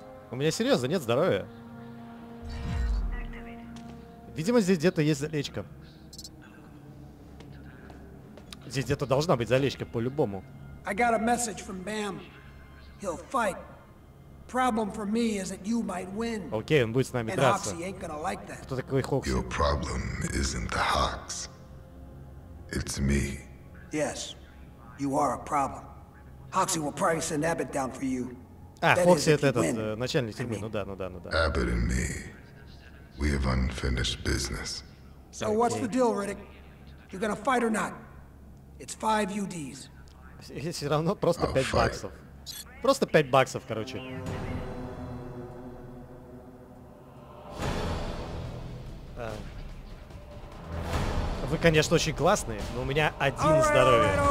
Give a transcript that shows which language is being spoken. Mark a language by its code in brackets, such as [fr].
[ru] У меня серьезно нет здоровья. Видимо, здесь где-то есть залечка. Здесь где-то должна быть залечка по-любому. [en] I got a message from Bam. He'll fight. Problem for me is that you might win. [ru] Окей, он будет с нами драться. [en] And Hoxie ain't gonna like that. [ru] Кто такой Хокси? [en] Your problem isn't the Hawks. It's me. Yes, you are a problem. Hoxie will probably send Abbott down for you. [ru] А, Хокси это этот, начальник тюрьмы, [en] I mean, [ru] ну да. [en] Abbott and me, we have unfinished business. So okay. What's the deal, Riddick? You're gonna fight or not? It's five UDs. [ru] Все равно просто пять баксов. Просто $5, короче. Вы, конечно, очень классные, но у меня один здоровье.